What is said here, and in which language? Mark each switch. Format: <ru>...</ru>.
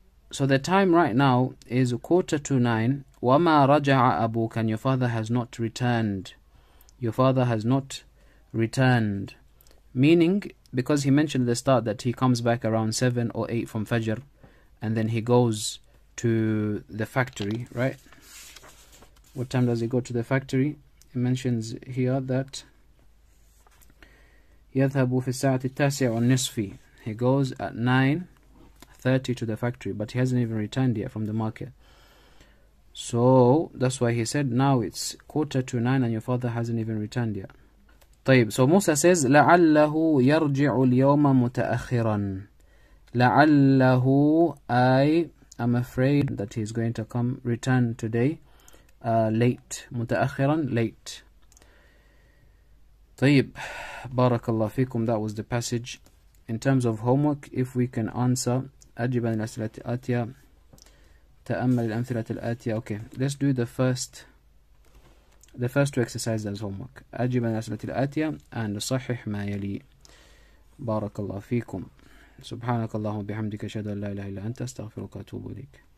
<en>So the time right now is 8:45.</en> <ar>وَمَا رَجَعَ أَبُوكَ,</ar> <en>and your father has not returned. Your father has not returned. Meaning, because he mentioned at the start that he comes back around 7 or 8 from Fajr, and then he goes to the factory, right? What time does he go to the factory? He mentions here that</en> <ar>يَذْهَبُ فِي السَّاعَةِ التَّاسِعَ وَالنِّصْفِ.</ar> <en>He goes at 9:30 to the factory, but he hasn't even returned yet from the market. So that's why he said now it's 8:45 and your father hasn't even returned yet.</en> <ar>طيب,</ar> <en>so Musa says</en> <ar>لَعَلَّهُ يَرْجِعُ الْيَوْمَ مُتَأَخِّرًا.</ar> <en>لَعَلَّهُ, I am afraid that he's going to come return today late. مُتَأَخِّرًا, late. طيب,</en> <ar>بَارَكَ اللَّهُ فِيكُمْ.</ar> <en>That was the passage. In terms of homework, if we can answer</en> <ar>أَجِبًا لِلْأَسْئِلَةِ الْآتِيَةِ تأمل الأمثلة الآتية.</ar> <en>Okay, let's do the first two exercises as homework.</en> <ar>أجب عن الأسئلة الآتية and صحح ما يلي. بارك الله فيكم. سبحانك اللهم وبحمدك, أشهد أن لا إله إلا أنت, أستغفرك وأتوب إليك.</ar>